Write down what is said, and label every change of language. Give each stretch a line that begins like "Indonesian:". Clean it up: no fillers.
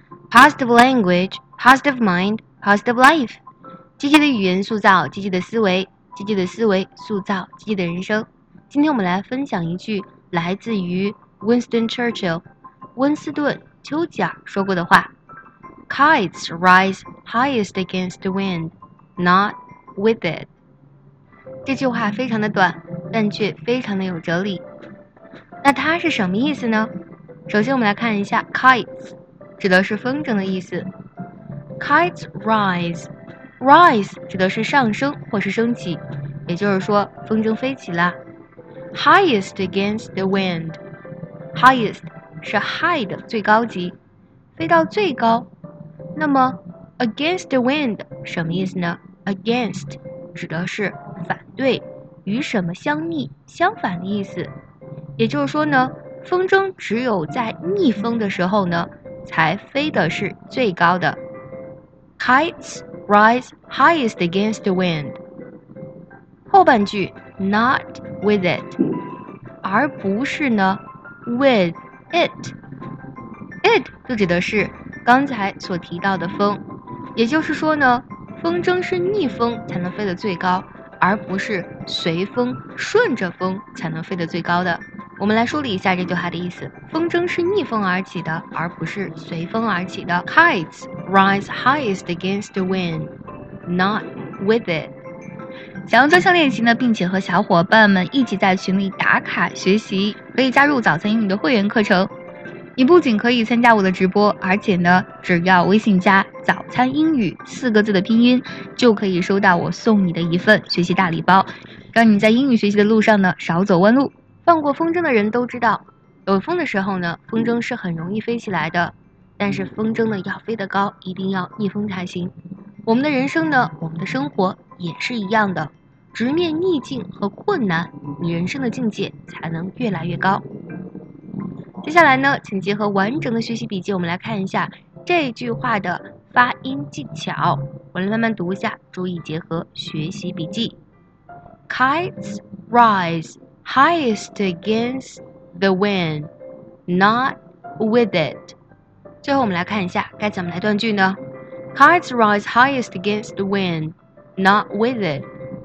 English: positive language, positive mind, positive life.
Chinese: 积极的语言塑造积极的思维，积极的思维塑造积极的人生。今天我们来分享一句来自于 Winston Churchill, 温斯顿·丘吉尔说过的话。
English: Kites rise highest against the wind, not with it.
Chinese: 这句话非常的短，但却非常的有哲理。那它是什么意思呢？首先我们来看一下 kites, 指的是风筝的意思。 Kites rise 指的是上升或是升起，也就是说风筝飞起了。 Highest against the wind, highest 是 high 的最高级，飞到最高。那么 against the wind 什么意思呢？Against 指的是反对，与什么相逆相反的意思。也就是说呢，风筝只有在逆风的时候呢才飞的是最高的。 Kites rise highest against the wind. 后半句 not with it, 而不是呢 with it. It 就指的是刚才所提到的风，也就是说呢，风筝是逆风才能飞得最高，而不是随风顺着风才能飞得最高的。我们来梳理一下这句话的意思，风筝是逆风而起的，而不是随风而起的。
English: Kites rise highest against the wind, not with it.
Chinese: 想要专项练习呢，并且和小伙伴们一起在群里打卡学习，可以加入早餐英语的会员课程。你不仅可以参加我的直播，而且呢，只要微信加早餐英语四个字的拼音，就可以收到我送你的一份学习大礼包，让你在英语学习的路上呢少走弯路。放过风筝的人都知道，有风的时候呢，风筝是很容易飞起来的，但是风筝呢要飞得高，一定要逆风才行。我们的人生呢，我们的生活也是一样的，直面逆境和困难，你人生的境界才能越来越高。接下来呢，请结合完整的学习笔记，我们来看一下这句话的发音技巧。我来慢慢读一下，注意结合学习笔记。
English: Kites rise highest against the wind, not with it.
Chinese: 最后我们来看一下该怎么来断句呢？ Kites rise highest against the wind, not with it.